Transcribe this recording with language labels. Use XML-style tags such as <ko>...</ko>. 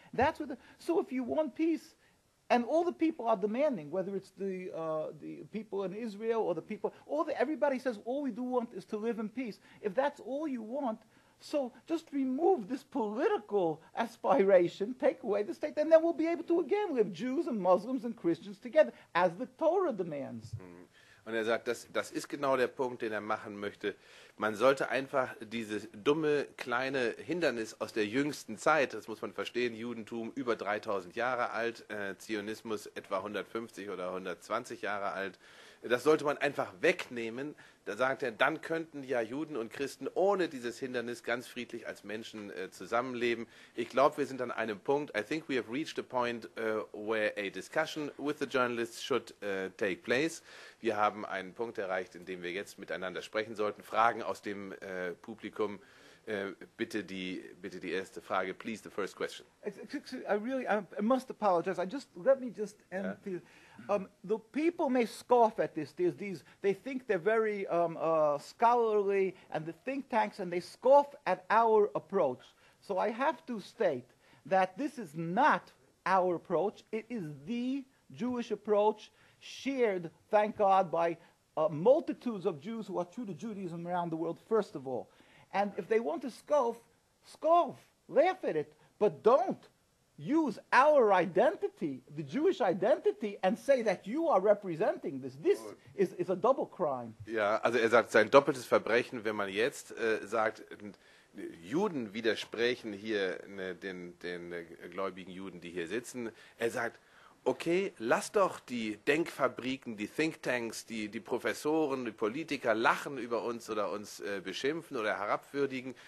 <en>That's what so if you want peace, and all the people are demanding, whether it's the people in Israel or the people, everybody says all we do want is to live in peace. If that's all you want, so just remove this political aspiration, take away the state, and then we'll be able to again live Jews and Muslims and Christians together, as the Torah demands.</en> <de>Und er sagt, das ist genau der Punkt, den er machen möchte. Man sollte einfach dieses dumme, kleine Hindernis aus der jüngsten Zeit, das muss man verstehen, Judentum über 3000 Jahre alt, Zionismus etwa 150 oder 120 Jahre alt, das sollte man einfach wegnehmen. Da sagt er, dann könnten ja Juden und Christen ohne dieses Hindernis ganz friedlich als Menschen zusammenleben. Ich glaube, wir sind an einem Punkt.</de> <en>I think we have reached a point where a discussion with the journalists should take place.</en> <de>Wir haben einen Punkt erreicht, in dem wir jetzt miteinander sprechen sollten. Fragen aus dem Publikum. Bitte die erste Frage.</de> <en>Please, the first question. The people may scoff at this. They think they're very scholarly, and the think tanks, and they scoff at our approach. So I have to state that this is not our approach. It is the Jewish approach, shared, thank God, by multitudes of Jews who are true to Judaism around the world, first of all. And if they want to scoff, laugh at it, but don't use our identity, the Jewish identity, and say that you are representing this. This is a double crime.</en> <de>Ja, also er sagt, es ist ein doppeltes Verbrechen, wenn man jetzt sagt, Juden widersprechen hier den gläubigen Juden, die hier sitzen. Er sagt, okay, lass doch die Denkfabriken, die Thinktanks, die Professoren, die Politiker lachen über uns oder uns beschimpfen oder herabwürdigen.</de>